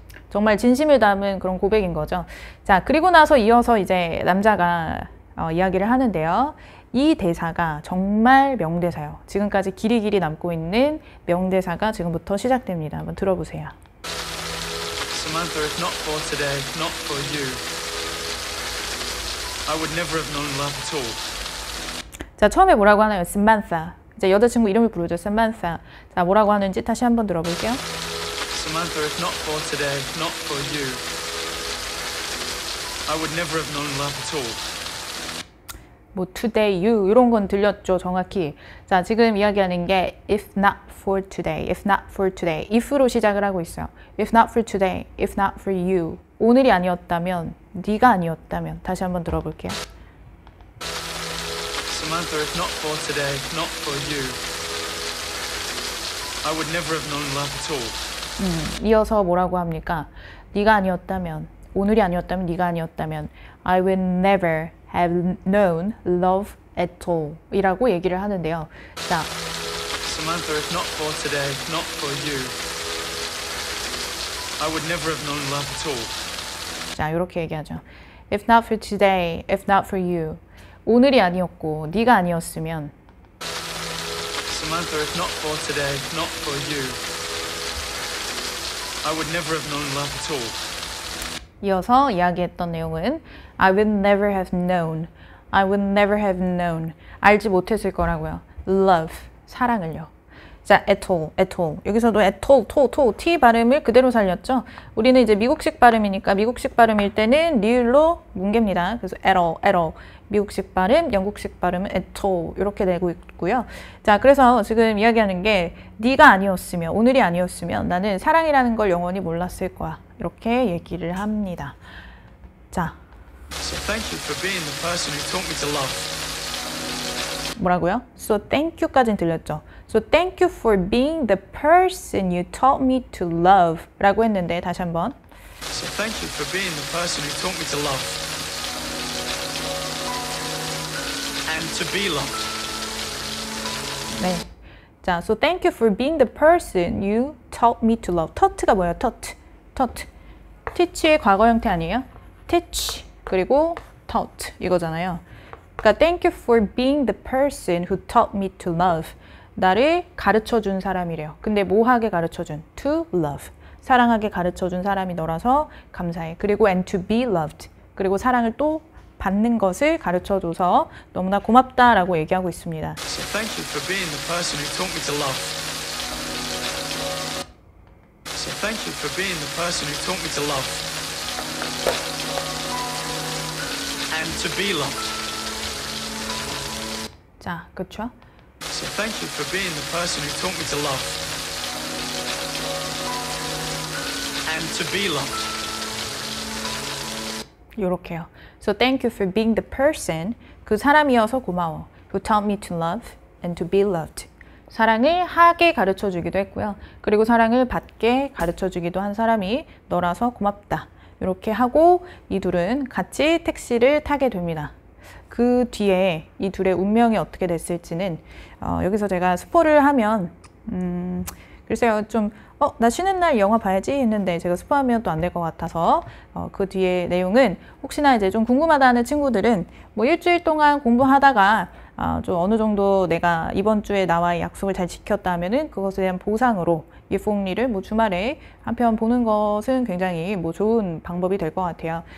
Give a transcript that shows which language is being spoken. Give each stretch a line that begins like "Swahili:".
Korean: 정말 진심을 담은 그런 고백인 거죠. 자, 그리고 나서 이어서 이제 남자가 이야기를 하는데요. 이 대사가 정말 명대사예요. 지금까지 길이길이 남고 있는 명대사가 지금부터 시작됩니다. 한번 들어보세요.
English: Samantha, if not for today, not for you, I would never have known love at all.
Korean: 자, 처음에 뭐라고 하나요?
English: Samantha.
Korean: 이제 여자친구 이름을 부르죠.
English: Samantha.
Korean: 자, 뭐라고 하는지 다시 한번 들어볼게요.
English: Samantha, if not for today, not for you, I would never have known love at all.
Korean: 뭐
English: today you
Korean: 이런 건 들렸죠, 정확히. 자, 지금 이야기하는 게
English: if not for today,
Korean: if not for today, if로 시작을 하고 있어요.
English: If not for today, if not for you,
Korean: 오늘이 아니었다면, 네가 아니었다면. 다시 한번 들어볼게요.
English: Samantha, if not for today, if not for you, I would never have known love at all.
Korean: 이어서 뭐라고 합니까? 네가 아니었다면, 오늘이 아니었다면, 네가 아니었다면,
English: I would never have known love at all
Korean: 이라고 얘기를 하는데요. 자,
English: Samantha, if not for today, if not for you, I would never have known love at all.
Korean: 자, 이렇게 얘기하죠.
English: If not for today, if not for you,
Korean: 오늘이 아니었고 네가 아니었으면,
English: Samantha, if not for today, if not for you, I would never have known love at all.
Korean: 이어서 이야기했던 내용은
English: I would never have known, I would never have known,
Korean: 알지 못했을 거라고요.
English: Love,
Korean: 사랑을요. 자,
English: at all, at all.
Korean: 여기서도
English: at all,
Korean: to, to, t 발음을 그대로 살렸죠. 우리는 이제 미국식 발음이니까 미국식 발음일 때는 리을로 뭉갭니다.
English: 그래서 at all, at all.
Korean: 미국식 발음, 영국식 발음은
English: at all
Korean: 이렇게 되고 있고요. 자, 그래서 지금 이야기하는 게 네가 아니었으면, 오늘이 아니었으면 나는 사랑이라는 걸 영원히 몰랐을 거야. 이렇게 얘기를 합니다. 자,
English: so thank you for being the person who taught me to love.
Korean: 뭐라고요?
English: So thank you
Korean: 까지는 들렸죠.
English: So thank you for being the person you taught me to love
Korean: 라고 했는데 다시 한번
English: So thank you for being the person who taught me to love and to be loved.
Korean: 네.
English: 자, so thank you for being the person you taught me to love.
Korean: taught가 뭐예요?
English: taught.
Korean: teach의 과거 형태 아니에요? teach 그리고 taught 이거잖아요.
English: 그러니까 thank you for being the person who taught me to love.
Korean: 나를 가르쳐 준 사람이래요. 근데 뭐하게 가르쳐 준?
English: to love.
Korean: 사랑하게 가르쳐 준 사람이 너라서 감사해.
English: 그리고 and to be loved.
Korean: 그리고 사랑을 또 받는 것을 가르쳐 줘서 너무나 고맙다라고 얘기하고 있습니다.
English: So thank you for being the person who taught me to love. So thank you for being the person who taught me to love. and to be loved.
Korean: 자, 그렇죠?
English: So thank you for being the person who taught me to love. and to be loved.
Korean: 요렇게요.
English: So thank you for being the person,
Korean: 그 사람이어서 고마워.
English: Who taught me to love and to be loved.
Korean: 사랑을 하게 가르쳐주기도 했고요. 그리고 사랑을 받게 가르쳐주기도 한 사람이 너라서 고맙다. 이렇게 하고 이 둘은 같이 택시를 타게 됩니다. 그 뒤에 이 둘의 운명이 어떻게 됐을지는 여기서 제가 스포를 하면 글쎄요, 좀 나 쉬는 날 영화 봐야지 했는데 제가 스포하면 또 안 될 것 같아서 그 뒤에 내용은 혹시나 이제 좀 궁금하다는 친구들은 뭐 일주일 동안 공부하다가 좀 어느 정도 내가 이번 주에 나와의 약속을 잘 지켰다 하면은 그것에 대한 보상으로 If Only를 뭐 주말에 한 편 보는 것은 굉장히 뭐 좋은 방법이 될 것 같아요.